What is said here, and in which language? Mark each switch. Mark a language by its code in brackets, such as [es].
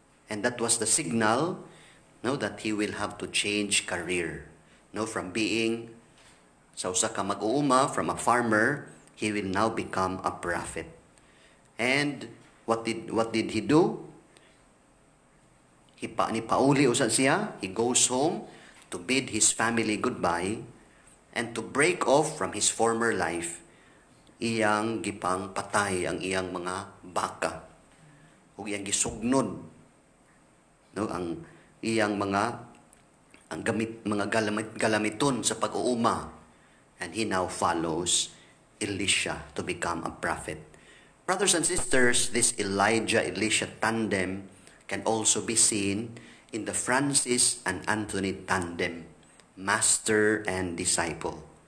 [en] And that was the signal, no, that he will have to change career, no, from being [ceb] sa usa ka mag-uuma, [en] from a farmer, he will now become a prophet. And what did he do? [ceb] Ni pauli usan siya, [en] he goes home to bid his family goodbye and to break off from his former life. [ceb] Iyang gipang patay ang iyang mga baka ug iyang gisugnod, no, ang iyang mga ang gamit, mga galamiton sa pag-uuma. [en] And he now follows Elisha to become a prophet. Brothers and sisters, this Elijah-Elisha tandem can also be seen in the Francis and Anthony tandem, master and disciple.